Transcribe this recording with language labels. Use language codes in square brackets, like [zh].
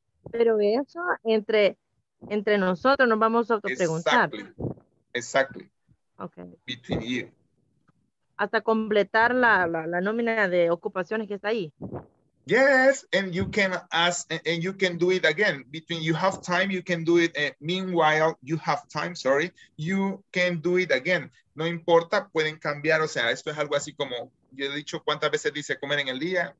[es] Pero eso entre nosotros nos vamos a autopreguntar. [en] Exactly. Exactly. Okay. Between you. [es] Hasta completar la nómina de ocupaciones que está ahí. [en] Yes, and you can ask, and you can do it again. Between you have time, you can do it. Meanwhile, you have time, sorry. You can do it again. [es] No importa, pueden cambiar. O sea, esto es algo así como, yo he dicho, ¿cuántas veces dice comer en el día?